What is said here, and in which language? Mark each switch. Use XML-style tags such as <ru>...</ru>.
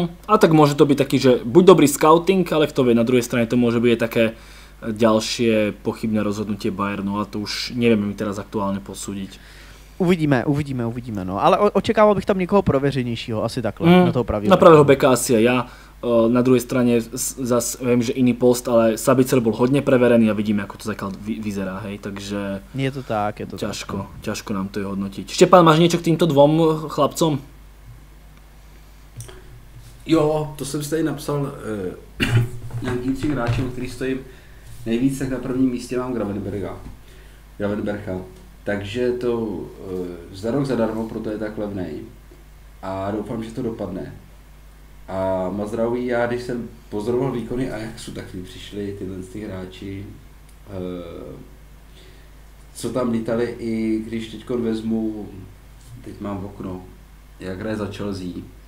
<cs>A tak může to být taky, že buď dobrý scouting, ale kto ví, na druhé straně to může být také další pochybné rozhodnutí Bayernu, a to už nevím mi teraz aktuálně posudit. Uvidíme, no. Ale očekával bych tam někoho prověřenějšího, asi takhle, na toho pravého. Na pravého beka asi já.</cs> <sk>Na druhej strane zase viem, že iný post, ale Sabitzer bol hodne preverený a vidíme, ako to zatiaľ vyzerá, hej, takže... Je to tak, je to ťažko, tak. Ťažko nám to je hodnotiť. Štepán, máš niečo k týmto dvom chlapcom?</sk> <cs>Jo, to som si tady napsal nejakým tým hráčom, ktorý stojím nejvíc, tak na prvním místě mám Gravenbercha. Takže to zadarmo, proto je tak levnej. A doufám, že to dopadne. A Mazraoui, já když jsem pozoroval výkony Ajaxu, tak mi přišli tyhle ty hráči, co tam lítali, i když teďkon vezmu, teď mám okno, jak hraje za Chelsea.</cs>